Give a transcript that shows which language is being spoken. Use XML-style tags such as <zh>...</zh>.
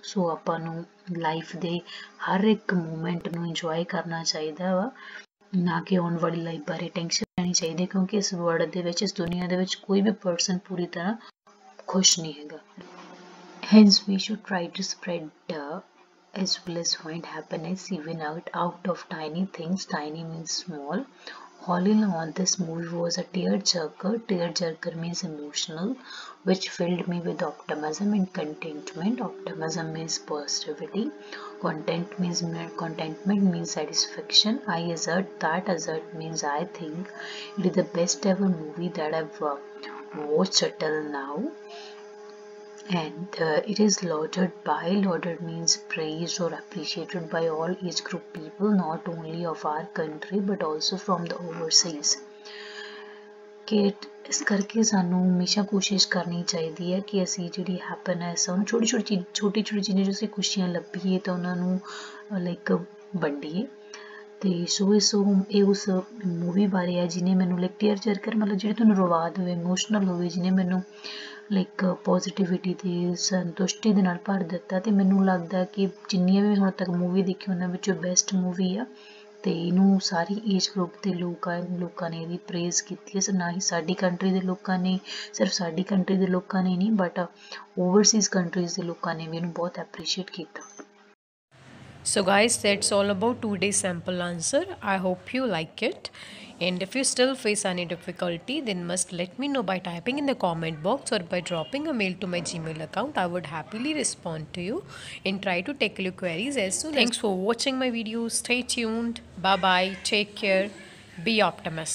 <pa>ਸੋ ਆਪਾਂ ਨੂੰ ਲਾਈਫ ਦੇ ਹਰ ਇੱਕ ਮੂਮੈਂਟ ਨੂੰ ਇੰਜੋਏ ਕਰਨਾ ਚਾਹੀਦਾ ਵਾ, ਨਾ ਕਿ ਆਉਣ ਵਾਲੀ ਲਾਈਫ ਬਾਰੇ ਟੈਂਸ਼ਨ ਲੈਣੀ ਚਾਹੀਦੀ. ਕਿਉਂਕਿ ਇਸ ਵਰਲਡ ਦੇ ਵਿੱਚ, ਇਸ ਦੁਨੀਆਂ ਦੇ ਵਿੱਚ ਕੋਈ ਵੀ ਪਰਸਨ ਪੂਰੀ ਤਰ੍ਹਾਂ ਖੁਸ਼ ਨਹੀਂ ਹੈਗਾ.</pa> <en>Hence we should try to spread as well as find happiness even out of tiny things. Tiny means small. All in all, this movie was a tear-jerker. Tear-jerker means emotional, which filled me with optimism and contentment. Optimism means positivity. Contentment means satisfaction. I assert that. Assert means I think. It is the best ever movie that I've watched till now. And it is lauded by, lauded means praised or appreciated by all age group people, not only of our country but also from the overseas.</en> <pa>Kate ਇਸ ਕਰਕੇ ਸਾਨੂੰ ਹਮੇਸ਼ਾ ਕੋਸ਼ਿਸ਼ ਕਰਨੀ ਚਾਹੀਦੀ ਹੈ ਕਿ ਅਸੀਂ ਜਿਹੜੀ ਹੈਪੀਨੈਸ ਆ, ਉਹਨੂੰ ਛੋਟੀ ਛੋਟੀ ਚੀਜ਼ਾਂ 'ਚ ਅਸੀਂ ਖੁਸ਼ੀਆਂ ਲੱਭੀਏ ਤਾਂ ਉਹਨਾਂ ਨੂੰ ਲਾਈਕ ਵੰਡੀਏ. ਅਤੇ ਸੋ ਇਹ ਉਸ ਮੂਵੀ ਬਾਰੇ ਆ ਜਿਹਨੇ ਮੈਨੂੰ ਲਾਈਕ ਟੀਅਰ ਜਰਕਰ, ਮਤਲਬ ਜਿਹੜੀ ਤੁਹਾਨੂੰ ਰਵਾ ਦੇਵੇ, ਇਮੋਸ਼ਨਲ ਹੋਵੇ, ਜਿਹਨੇ ਮੈਨੂੰ ਲਾਈਕ ਪੋਜ਼ਿਟਿਵਿਟੀ ਅਤੇ ਸੰਤੁਸ਼ਟੀ ਦੇ ਨਾਲ ਭਰ ਦਿੱਤਾ. ਅਤੇ ਮੈਨੂੰ ਲੱਗਦਾ ਕਿ ਜਿੰਨੀਆਂ ਵੀ ਹੁਣ ਤੱਕ ਮੂਵੀ ਦੇਖੀ, ਉਹਨਾਂ ਵਿੱਚੋਂ ਬੈਸਟ ਮੂਵੀ ਆ. ਅਤੇ ਇਹਨੂੰ ਸਾਰੀ ਏਜ ਗਰੁੱਪ ਦੇ ਲੋਕਾਂ ਨੇ ਇਹਦੀ ਪ੍ਰੇਜ਼ ਕੀਤੀ ਹੈ. ਨਾ ਹੀ ਸਾਡੀ ਕੰਟਰੀ ਦੇ ਲੋਕਾਂ ਨੇ, ਸਿਰਫ ਸਾਡੀ ਕੰਟਰੀ ਦੇ ਲੋਕਾਂ ਨੇ ਨਹੀਂ, ਬਟ ਓਵਰਸੀਜ਼ ਕੰਟਰੀਜ਼ ਦੇ ਲੋਕਾਂ ਨੇ ਵੀ ਇਹਨੂੰ ਬਹੁਤ ਐਪਰੀਸ਼ੀਏਟ ਕੀਤਾ.</pa> <en>So guys, that's all about today's sample answer. I hope you like it. And if you still face any difficulty, then must let me know by typing in the comment box or by dropping a mail to my Gmail account. I would happily respond to you and try to tackle your queries as soon as. Thanks for watching my video. Stay tuned. Bye-bye. Take care. Be optimistic.</en>